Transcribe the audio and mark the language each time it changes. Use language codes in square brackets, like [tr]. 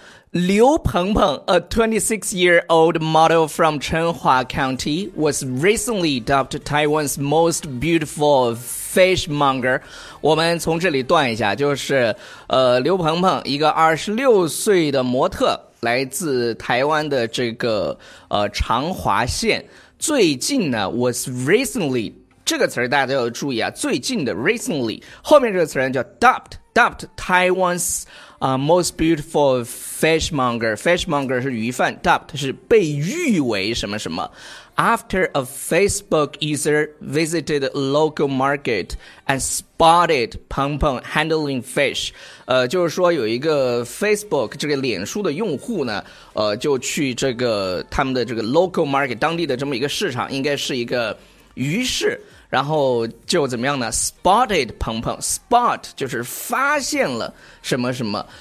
[en] 刘鹏鹏 ，a 26-year-old model from Changhua County was recently dubbed Taiwan's most beautiful fishmonger。 [zh] 我们从这里断一下，就是刘鹏鹏，一个26岁的模特，来自台湾的这个长华县。最近呢 ， [en] was recently。 [zh] 这个词大家要注意啊，最近的 recently 后面这个词叫 [en] dubbed Taiwan's most beautiful fishmonger [zh] 是鱼贩， dubbed 是被誉为什么什么。 [en] After a Facebook user visited a local market and spotted 鹏鹏 handling fish， [zh] 就是说有一个 Facebook 这个脸书的用户呢，就去这个他们的这个 local market 当地的这么一个市场，应该是一个鱼市，然后就怎么样呢 ？ [en] Spotted 鹏鹏 [zh] ，spot 就是发现了什么什么。